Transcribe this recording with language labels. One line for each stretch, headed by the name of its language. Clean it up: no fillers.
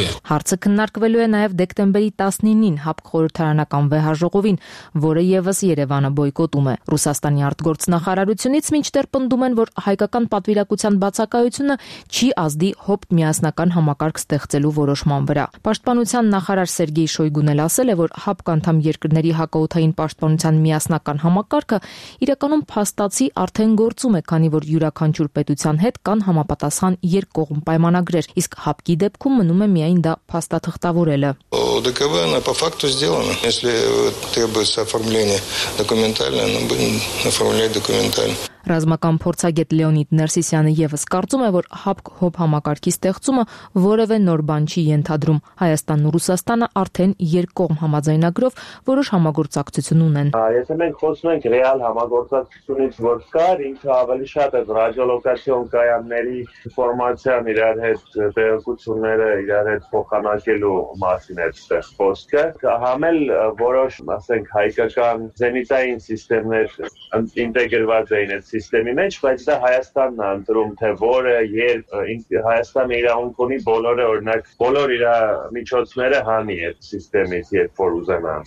Armenian: Հարցը քննարկվելու է նաև դեկտեմբերի 19-ին ՀԱՊԿ խորհրդարանական վեհաժողովին, որը ևս Երևանը բոյկոտում է։ Ռուսաստանի արտգործնախարար ցույցից մինչդեռ պնդում են, որ հայկական պատվիրակության բացակայությունը չի ազդի հոբ միասնական համակարգ ստեղծելու որոշման վրա։ Պաշտպանության նախարար Սերգեյ Շոյգուն էլ ասել է, որ ՀԱՊԿ անդամ երկրների հակաօդային պաշտպանության միասնական համակարգը իրականում փաստացի արդեն գործում է, քանի որ յուրաքանչյուր պետության հետ կան համապատասխան երկկողմ պայմանագրեր, իսկ ՀԱՊԿ-ի դեպքում մնում է միայն դա փաստաթղթավորելը։
Russian: ОДКВ на по факту сделано. Если требуется оформление документальное, мы будем оформлять документально.
Armenian: Ռազմական փորձագետ Լեոնիդ Ներսիսյանը ևս կարծում է, որ ՀԱՊԿ հոբ համակարգի ստեղծումը որևէ նոր բան չի ենթադրում։ Հայաստանն ու Ռուսաստանը արդեն երկկողմ համաձայնագրով որոշ համագործակցություն ունեն։ Եթե մենք խոսում ենք ռեալ համագործակցությունից, որ կա, ինքը ավելի շատ է ռադիոլոկացիոն կայանների ինֆորմացիան իրար հետ տեղեկությունները իրար հետ փոխանակելու մասին է խոսքը, համել որոշ, ասենք, հայկական զենիտային համակարգներ ինտեգրված էին սիստեմի մեջ, բայց դա Հայաստանն է ընտրում, թե որը, երբ Հայաստանը իրավունք ունի բոլորը, օրինակ բոլոր իր միջոցները հանի այդ սիստեմից, երբ որ ուզենա։